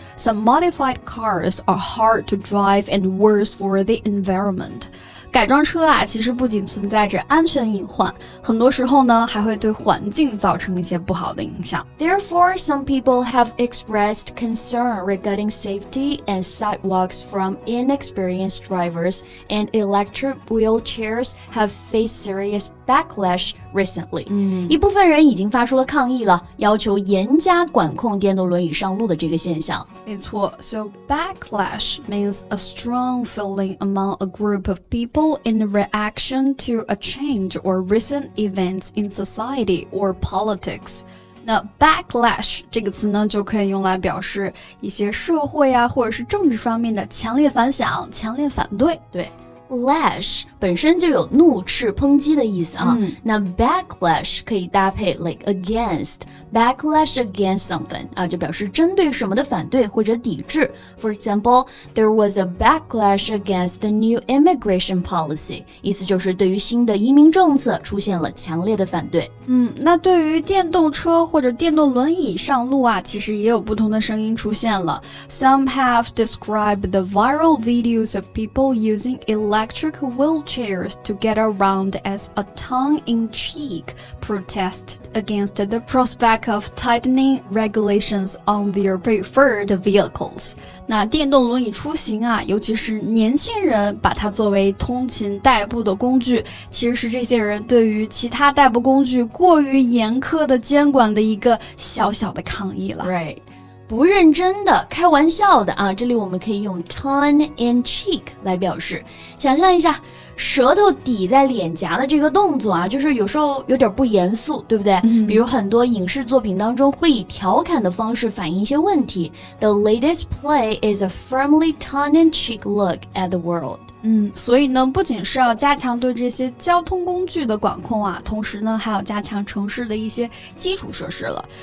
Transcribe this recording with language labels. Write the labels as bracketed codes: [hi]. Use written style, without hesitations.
[en] Some modified cars are hard to drive and worse for the environment. [zh] 改装车啊其实不仅存在着安全隐患，很多时候呢还会对环境造成一些不好的影响。 [en] Therefore, some people have expressed concern regarding safety and sidewalks from inexperienced drivers, and electric wheelchairs have faced serious backlash recently. [zh] 一部分人已经发出了抗议了，要求严加管控电动轮椅上路的这个现象。没错， [en] so backlash means a strong feeling among a group of people in reaction to a change or recent events in society or politics. [zh] 那 backlash 这个词呢就可以用来表示一些社会啊或者是政治方面的强烈反响，强烈反对。对，Lash 本身就有怒斥抨击的意思啊、那 backlash 可以搭配 [en] like against, backlash against something, [zh] 啊就表示针对什么的反对或者抵制。 [en] For example, there was a backlash against the new immigration policy, [zh] 意思就是对于新的移民政策出现了强烈的反对。那对于电动车或者电动轮椅上路啊其实也有不同的声音出现了。 [en] Some have described the viral videos of people using electric wheelchairs to get around as a tongue-in-cheek protest against the prospect of tightening regulations on their preferred vehicles. [zh] 那电动轮椅出行啊，尤其是年轻人把它作为通勤代步的工具，其实是这些人对于其他代步工具过于严苛的监管的一个小小的抗议了。 [en] Right. [zh] 不认真的开玩笑的啊，这里我们可以用 tongue in cheek 来表示。想象一下舌头抵在脸颊的这个动作啊，就是有时候有点不严肃，对不对、比如很多影视作品当中会以调侃的方式反映一些问题。 [en] The latest play is a firmly tongue in cheek look at the world. [zh] 所以呢不仅是要加强对这些交通工具的管控啊，同时呢还要加强城市的一些基础设施了。